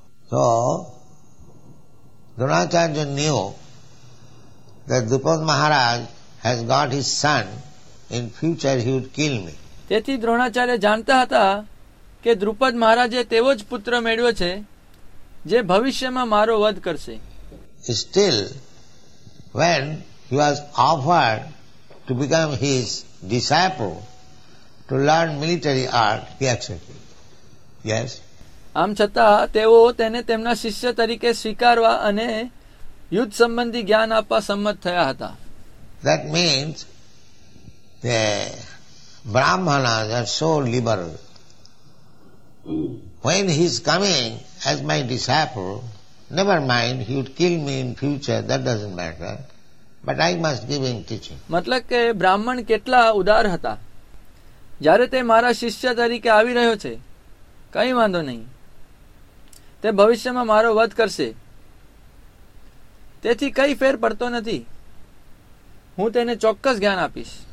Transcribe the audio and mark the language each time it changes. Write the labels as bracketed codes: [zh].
[en] So Dronacharya knew that Drupada Maharaj has got his son, in future he would kill me. [gu] તેથી દ્રોણાચાર્ય જાણતા હતા કે દ્રુપદ મહારાજે તેવો જ પુત્ર મેળવ્યો છે જે ભવિષ્યમાં મારો વધ કરશે. [en] Still, when he was offered to become his disciple, to learn military art, he accepted. Yes. [gu] આમ છતાં તેઓ તેને તેમના શિષ્ય તરીકે સ્વીકારવા અને યુદ્ધ સંબંધી જ્ઞાન આપવા સંમત થયા હતા. [en] That means the brahmanas are so liberal. When he is coming as my disciple, never mind, he would kill me in future, that doesn't matter, but I must give him teaching. [gu] મતલબ કે બ્રાહ્મણ કેટલા ઉદાર હતા. જ્યારે તે મારા શિષ્ય તરીકે આવી રહ્યો છે, કઈ વાંધો નહીં, તે ભવિષ્યમાં મારો વધ કરશે, તેથી કઈ ફેર પડતો નથી, હું તેને ચોક્કસ જ્ઞાન આપીશ.